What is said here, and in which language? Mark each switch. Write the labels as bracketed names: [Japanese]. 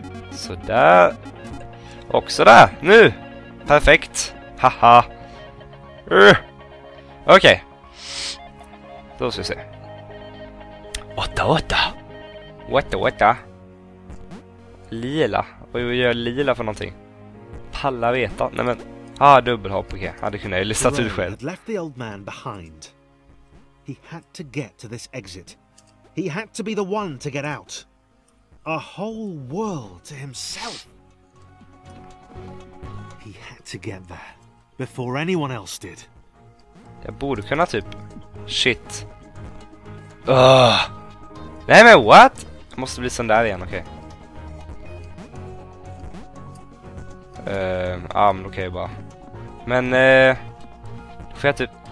[Swedish] Sådär. Och sådär, nu! Perfekt! Haha! Okej. Okay. Då ska vi se. Whatta? Lila. Vad gör lila för någonting? Alla veta. Nej men, dubbelhopp, okej. Okay. Det kunde jag ju lista ut själv. [English] Left the old man behind. He had to get to this exit. He had to be the one to get out. A whole world to himself. He had to get there before anyone else did. [Swedish] Jag borde kunna typ shit. Nej men what? Jag måste bli sån där igen, okej. Okay. Men okej, bara. Men Får jag typ...